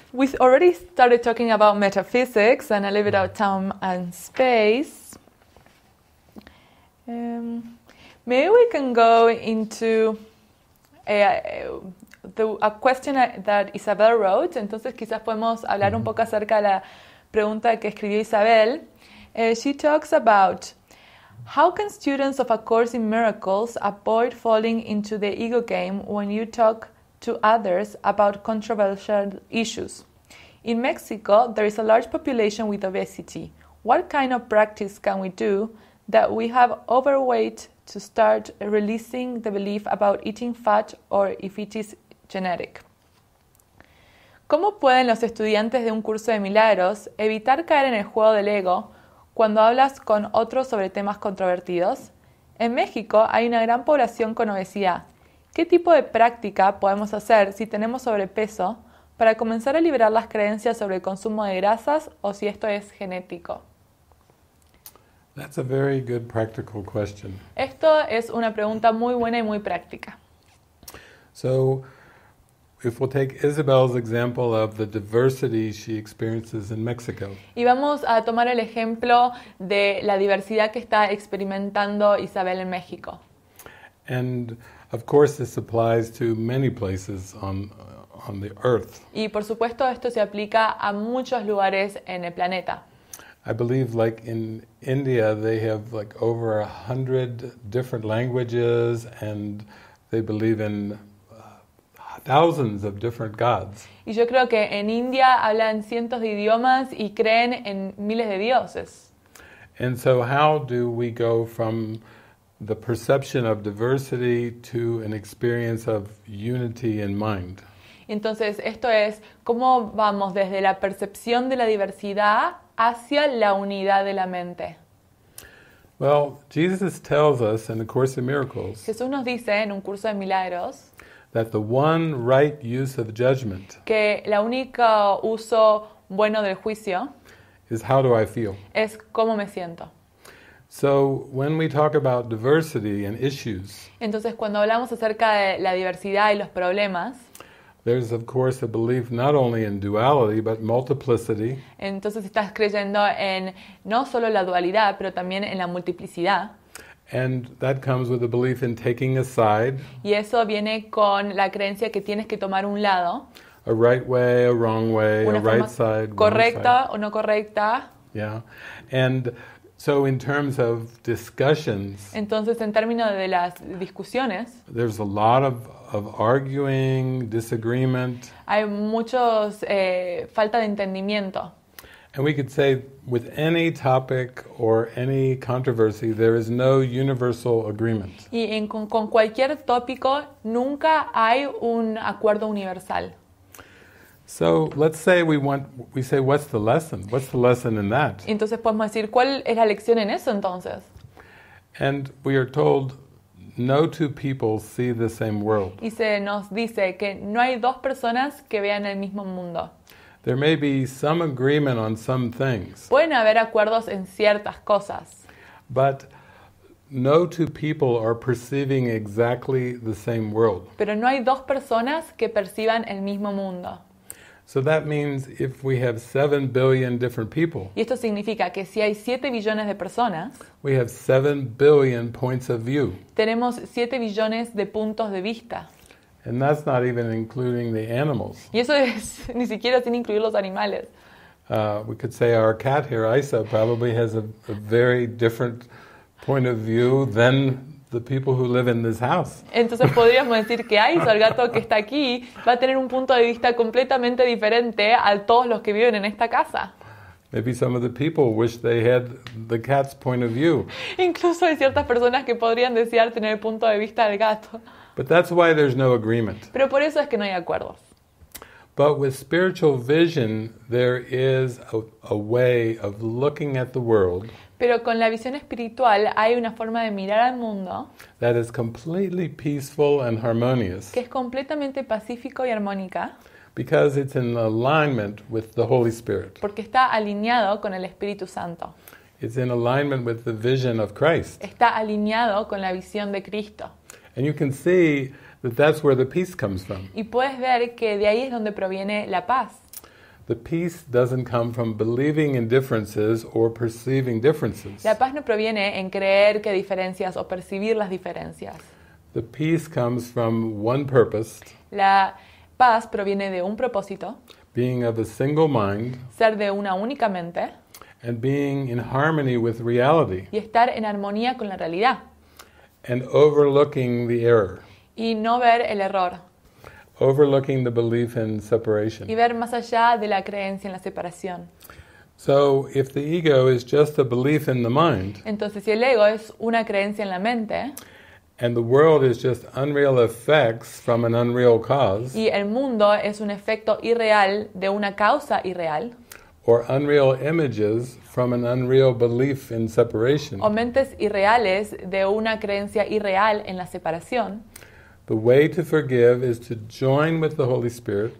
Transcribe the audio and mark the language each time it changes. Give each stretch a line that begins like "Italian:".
English: we already started talking about metaphysics and a little bit of time and space. Maybe we can go into a question that Isabel wrote.
Spanish: Entonces quizás podemos hablar un poco acerca de la pregunta que escribió Isabel.
English: She talks about how can students of A Course in Miracles avoid falling into the ego game when you talk to others about controversial issues? In Mexico, there is a large population with obesity. What kind of practice can we do that we have overweight to start releasing the belief about eating fat or if it is genetic?
Spanish: ¿Cómo pueden los estudiantes de Un Curso de Milagros evitar caer en el juego del ego cuando hablas con otros sobre temas controvertidos? En México hay una gran población con obesidad. ¿Qué tipo de práctica podemos hacer si tenemos sobrepeso para comenzar a liberar las creencias sobre el consumo de grasas o si esto es genético?
English: That's a very good practical question.
Spanish: Esto es una pregunta muy buena y muy práctica.
English: So, if we'll take Isabel's example of the diversity she experiences in Mexico.
Spanish: Y vamos a tomar el ejemplo de la diversidad que está experimentando Isabel en México.
English: And of course this applies to many places on the earth.
Spanish: Y por supuesto esto se aplica a muchos lugares en el planeta.
English: I believe like in India they have like over 100 different languages and they believe in thousands of different gods.
Spanish: Y yo creo que en India hablan cientos de idiomas y creen en miles de dioses.
English: And so how do we go from the perception of diversity to an experience of unity in mind?
Spanish: Entonces, esto es cómo vamos desde la percepción de la diversidad hacia la unidad de la mente.
English: Well, Jesus tells us in the Course in Miracles.
Spanish: Jesús nos dice en Un Curso de Milagros
English: that the one right use of judgment,
Spanish: que la única uso bueno del juicio,
English: is how do I feel?
Spanish: Es cómo me siento.
English: So when we talk about diversity and issues,
Spanish: entonces cuando hablamos acerca de la diversidad y los problemas,
English: there's of course a belief not only in duality but multiplicity.
Spanish: Entonces estás creyendo en no solo la dualidad, pero también en la multiplicidad.
English: And that comes with a belief in taking a side.
Spanish: Y eso viene con la creencia que tienes que tomar un lado.
English: A right way, a wrong way,
Spanish: una
English: a right side,
Spanish: correcta
English: wrong side.
Spanish: O no correcta.
English: Yeah. And so in terms of discussions.
Spanish: Entonces en términos de las discusiones.
English: There's a lot of arguing, disagreement.
Spanish: Hay muchos falta de entendimiento.
English: And we could say with any topic or any controversy there is no universal agreement.
Spanish: Y con cualquier tópico nunca hay un acuerdo universal.
English: So let's say we say what's the lesson? What's the lesson in that?
Spanish: Entonces podemos decir ¿cuál es la lección en eso entonces?
English: And we are told no two people see the same world.
Spanish: Y se nos dice que no hay dos personas que vean el mismo mundo.
English: There may be some agreement on some things.
Spanish: Pueden haber acuerdos en ciertas cosas.
English: But no two people are perceiving exactly the same world.
Spanish: Pero no hay dos personas que perciban el mismo mundo.
English: So that means if we have 7 billion different people.
Spanish: Y esto significa que si hay 7 billones de personas,
English: we have 7 billion points of view.
Spanish: Tenemos 7 billones de puntos de vista.
English: And that's not even including the animals.
Spanish: Y eso es ni siquiera sin incluir los animales.
English: We could say our cat here, Isa, probably has a very different point of view than the people who live in this house.
Spanish: Entonces podríamos decir que Isa, el gato que está aquí, va a tener un punto de vista completamente diferente a todos los que viven en esta casa.
English: Maybe some of the people wish they had the cat's point of view.
Spanish: Incluso hay ciertas personas que podrían desear tener el punto de vista del gato.
English: But that's why there's no agreement.
Spanish: Pero por eso es que no hay acuerdos.
English: But with spiritual vision, there is a way of looking at the world.
Spanish: Pero con la visión espiritual hay una forma de mirar al mundo.
English: That is completely peaceful and harmonious.
Spanish: Que es completamente pacífico y armónica.
English: Because it's in alignment with the Holy Spirit.
Spanish: Porque está alineado con el Espíritu Santo.
English: It's in alignment with the vision of Christ.
Spanish: Está alineado con la visión de Cristo.
English: And you can see that that's where the peace comes from.
Spanish: Y puedes ver que de ahí es donde proviene la paz.
English: The peace doesn't come from believing in differences or perceiving differences.
Spanish: La paz no proviene en creer que diferencias o percibir las diferencias.
English: The peace comes from one purpose.
Spanish: La paz proviene de un propósito.
English: Being of a single mind.
Spanish: Ser de una única mente.
English: And being in harmony with reality.
Spanish: Y estar en armonía con la realidad.
English: And overlooking the error.
Spanish: Y no ver el error.
English: Overlooking the belief in separation.
Spanish: Y ver más allá de la creencia en la separación.
English: So, if the ego is just a belief in the mind.
Spanish: Entonces, si el ego es una creencia en la mente.
English: And the world is just unreal effects from an unreal cause.
Spanish: Y el mundo es un efecto irreal de una causa irreal.
English: Or unreal images from an unreal belief in separation.
Spanish: O mentes irreales de una creencia irreal en la separación.
English: The way to forgive is to join with the Holy Spirit.